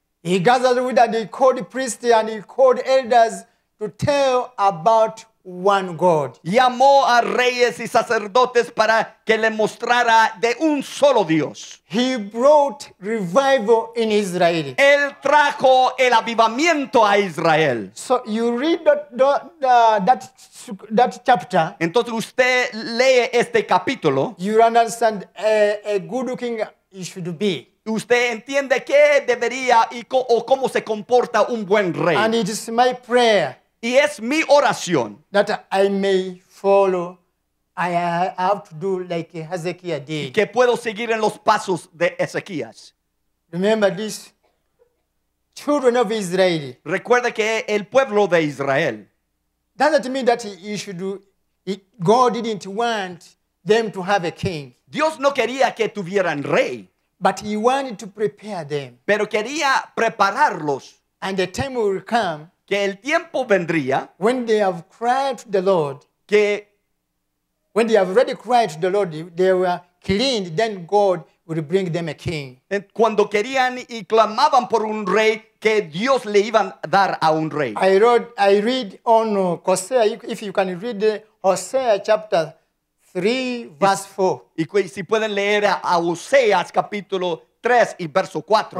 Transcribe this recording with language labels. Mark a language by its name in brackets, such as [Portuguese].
[English] He gathered with and he called priests and he called elders to tell about one God. [Spanish] Llamó a reyes y sacerdotes para que le mostrara de un solo Dios. [English] He brought revival in Israel. [Spanish] Él trajo el avivamiento a Israel. [English] So you read that chapter. [Spanish] Entonces usted lee este capítulo. [English] You understand a good king he should be. [Spanish] Usted entiende qué debería o cómo se comporta un buen rey. [English] And it is my prayer. [Spanish] Y es mi oración. [English] That I may follow. I have to do like Hezekiah did. [Spanish] Que puedo seguir en los pasos de Ezequías. [English] Remember this. Children of Israel. [Spanish] Recuerda que el pueblo de Israel. [English] Doesn't mean that he should do. God didn't want them to have a king. [Spanish] Dios no quería que tuvieran rey. [English] But he wanted to prepare them. [Spanish] Pero quería prepararlos. [English] And the time will come. [Spanish] Que el tiempo vendría. [English] When they have cried to the Lord. [Spanish] Que [English] when they have already cried to the Lord, they were cleaned. Then God would bring them a king. [Spanish] Cuando querían y clamaban por un rey, que Dios le iban a dar a un rey. [English] I read on Hosea. If you can read Hosea chapter 3, verse 4. [Spanish] Y si pueden leer a Oseas capítulo 3 y verso 4.